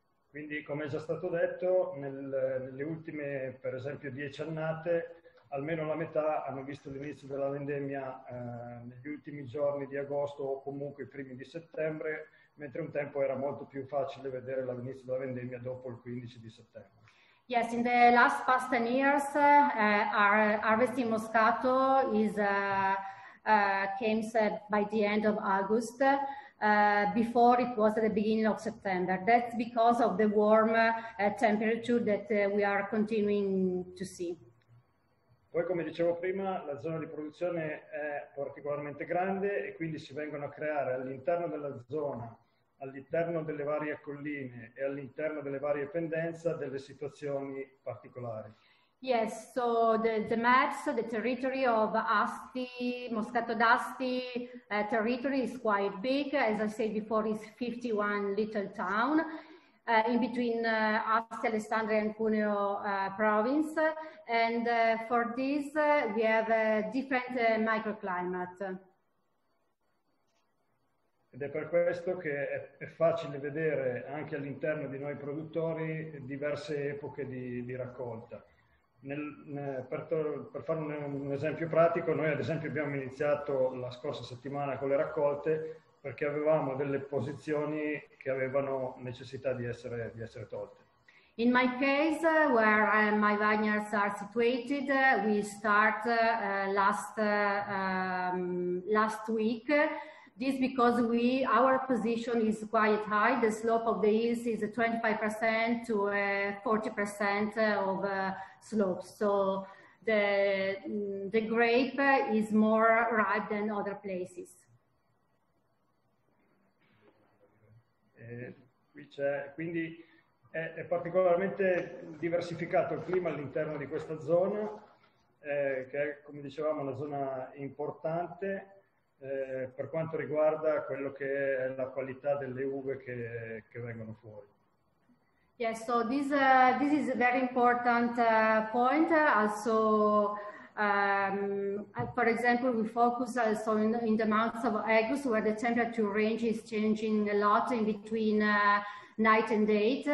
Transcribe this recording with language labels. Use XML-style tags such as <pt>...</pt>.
<it>Quindi, come è già stato detto, nelle ultime, per esempio, 10 annate, almeno la metà hanno visto l'inizio della vendemmia negli ultimi giorni di agosto o comunque i primi di settembre, mentre un tempo era molto più facile vedere l'inizio della vendemmia dopo il 15 di settembre.</it> <en>Yes, in the last past 10 years, our harvesting Moscato is came by the end of August. Before it was at the beginning of September. That's because of the warm temperature that we are continuing to see.</en> <it>Poi, come dicevo prima, la zona di produzione è particolarmente grande, e quindi si vengono a creare all'interno della zona, all'interno delle varie colline e all'interno delle varie pendenze, delle situazioni particolari.</it> <en>Yes, so the maps, the territory of Asti, Moscato d'Asti territory is quite big. As I said before, it's 51 little town in between Asti, Alessandria and Cuneo province. And for this, we have a different microclimate.</en> <it>Ed è per questo che è facile vedere anche all'interno di noi produttori diverse epoche di raccolta. Per fare un esempio pratico, noi ad esempio abbiamo iniziato la scorsa settimana con le raccolte perché avevamo delle posizioni che avevano necessità di essere tolte.</it> <en>In my case, where my vineyards are situated, we start last week. This because our position is quite high. The slope of the hills is 25% to 40% of slopes. So the grape is more ripe than other places.</en> <it>qui c'è, quindi è particolarmente diversificato il clima all'interno di questa zona, che è, come dicevamo, una zona importante per quanto riguarda quello che è la qualità delle uve che vengono fuori.</it> <en>Yes, so this this is a very important point. Also, for example, we focus also in the months of August, where the temperature range is changing a lot in between night and day.</en>